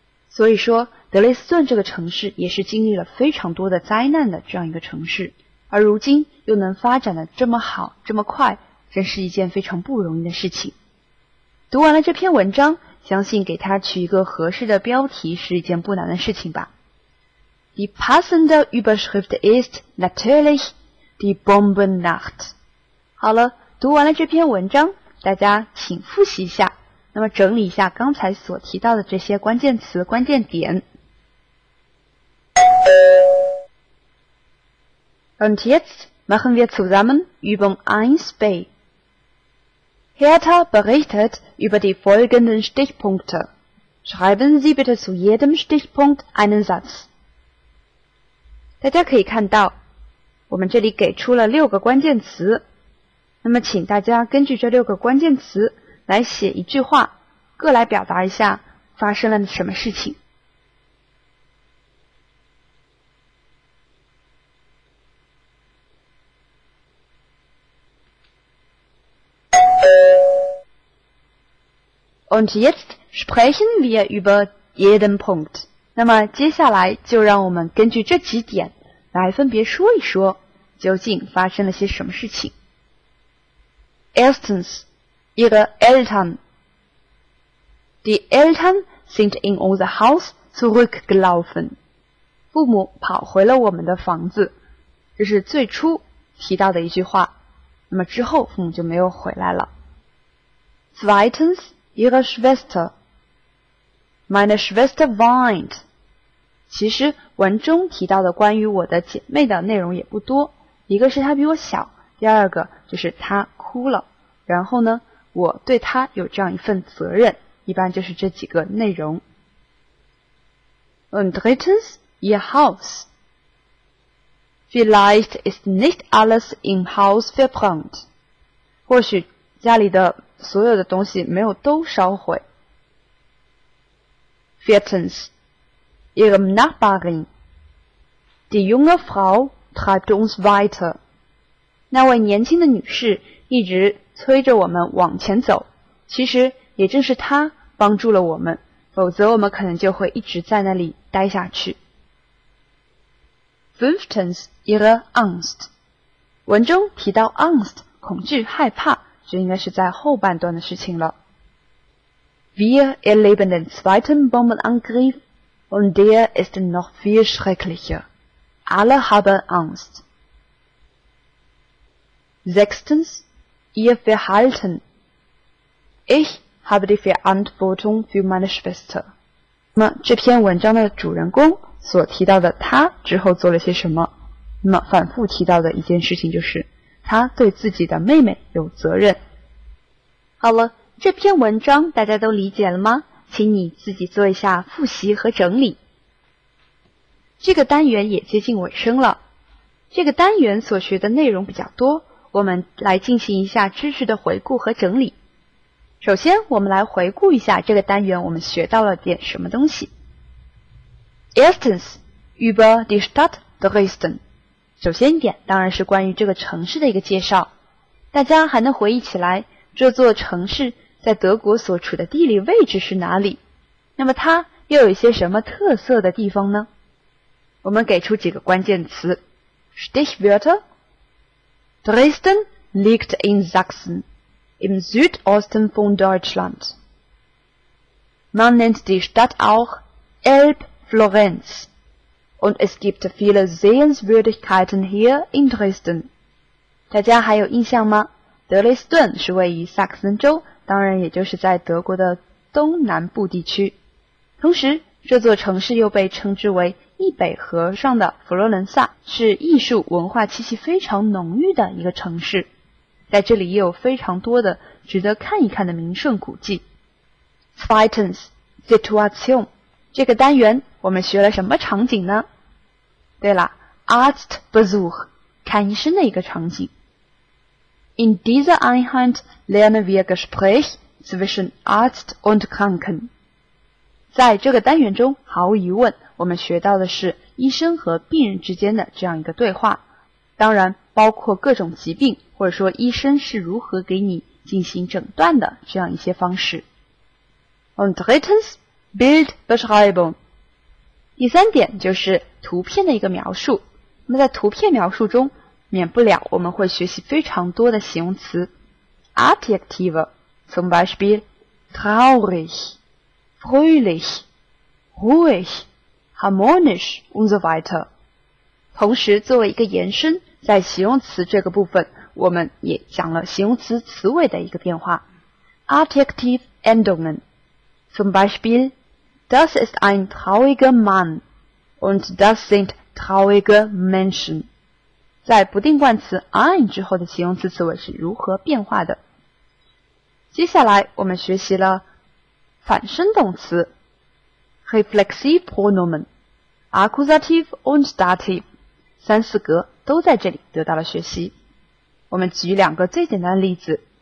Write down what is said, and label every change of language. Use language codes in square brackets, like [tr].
[zh] 所以说德累斯顿这个城市也是经历了非常多的灾难的这样一个城市，而如今又能发展的这么好这么快，真是一件非常不容易的事情。读完了这篇文章，相信给它取一个合适的标题是一件不难的事情吧。 [de] Die passende Überschrift ist natürlich die Bombennacht。 [zh] 好了，读完了这篇文章，大家请复习一下，那么整理一下刚才所提到的这些关键词关键点。 [de] Und jetzt machen wir zusammen Übung 1b. Hertha berichtet über die folgenden Stichpunkte. Schreiben Sie bitte zu jedem Stichpunkt einen Satz. [zh] 大家可以看到，我们这里给出了六个关键词，那么请大家根据这六个关键词来写一句话，各来表达一下发生了什么事情。 [de] Und jetzt sprechen wir über jeden Punkt. [zh] 那么接下来就让我们根据这几点来分别说一说究竟发生了些什么事情。 [de] Erstens, ihre Eltern. Die Eltern sind in unser Haus zurückgelaufen. [zh] 父母跑回了我们的房子，这是最初提到的一句话，那么之后父母就没有回来了。 [de] Zweitens,Ihre Schwester. Meine Schwester weint. [zh] 其实文中提到的关于我的姐妹的内容也不多，一个是她比我小，第二个就是她哭了，然后呢我对她有这样一份责任，一般就是这几个内容。 [de] Und drittens, ihr Haus. Vielleicht ist nicht alles im Haus verbrannt. [zh] 或许家里的所有的东西没有都烧毁。 [de] Viertens, ihrem Nachbarin. Die junge Frau treibt uns weiter. [zh] 那位年轻的女士一直催着我们往前走，其实也正是她帮助了我们，否则我们可能就会一直在那里待下去。 [de] Fünftens, ihre Angst. [zh] 文中提到 Angst, 恐惧害怕，这应该是在后半段的事情了。 [de] Wir erleben den zweiten Bombenangriff und der ist noch viel schrecklicher. Alle haben Angst. Sechstens, ihr Verhalten. Ich habe die Verantwortung für meine Schwester. [zh] 那么这篇文章的主人公所提到的他之后做了些什么，那么反复提到的一件事情就是他对自己的妹妹有责任。好了，这篇文章大家都理解了吗？请你自己做一下复习和整理。这个单元也接近尾声了，这个单元所学的内容比较多，我们来进行一下知识的回顾和整理。首先我们来回顾一下这个单元我们学到了点什么东西。 [de] Erstens über die Stadt Dresden， [zh] 首先一点当然是关于这个城市的一个介绍。大家还能回忆起来这座城市在德国所处的地理位置是哪里，那么它又有一些什么特色的地方呢？我们给出几个关键词。 [de] Stichwörter: Dresden liegt in Sachsen im Südosten von Deutschland. Man nennt die Stadt auch Elbflorenz und es gibt viele Sehenswürdigkeiten hier in Dresden. [zh] 大家还有印象吗？德累斯顿是位于萨克森州，当然也就是在德国的东南部地区。同时这座城市又被称之为易北河上的佛罗伦萨，是艺术文化气息非常浓郁的一个城市，在这里也有非常多的值得看一看的名胜古迹。 [de] Zweitens Situation， [zh] 这个单元我们学了什么场景呢？对了， Arztbesuch， 看医生的一个场景。 [de] In dieser Einheit lernen wir Gespräch zwischen Arzt und Kranken。 [zh] 在这个单元中毫无疑问我们学到的是医生和病人之间的这样一个对话，当然包括各种疾病或者说医生是如何给你进行诊断的这样一些方式。 [de] Und drittens Bildbeschreibung， [zh] 第三点就是图片的一个描述。那么在图片描述中免不了我们会学习非常多的形容词 [de] Adjektive， zum Beispiel traurig, fröhlich, ruhig, harmonisch und so weiter。 [zh] 同时作为一个延伸，在形容词这个部分我们也讲了形容词词尾的一个变化。 [de] Adjective Endungen zum Beispiel Das ist ein trauriger Mann und das sind traurige Menschen。 [zh] 在不定冠词 ein 之后的形容词词尾是如何变化的。接下来我们学习了反身动词 [de] Reflexive Pronomen Accusative und Dative， [zh] 三四格都在这里得到了学习。我们举两个最简单的例子。